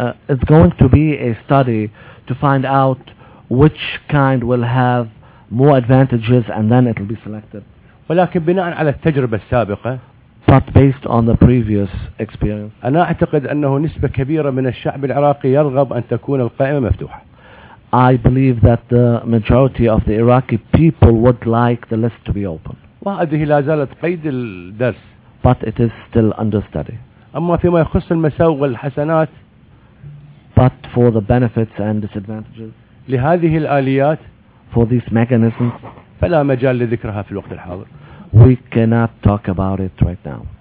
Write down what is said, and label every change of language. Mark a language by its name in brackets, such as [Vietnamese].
[English] It's going to be a study to find out which kind will have more advantages and then it will be selected. [Arabic] ولكن بناء على التجربة السابقة. [English] But based on the previous experience. [Arabic] أنا أعتقد أنه نسبة كبيرة من الشعب العراقي يرغب أن تكون القائمة مفتوحة. [English] I believe that the majority of the Iraqi people would like the list to be open. [Arabic] وهذه لا زالت قيد الدرس. [English] But it is still under study. [Arabic] أما فيما يخص المساوئ والحسنات. [English] But for the benefits and disadvantages. [Arabic] لهذه الآليات. [English] For these mechanisms. [Arabic] فلا مجال لذكرها في الوقت الحاضر. [English] We cannot talk about it right now.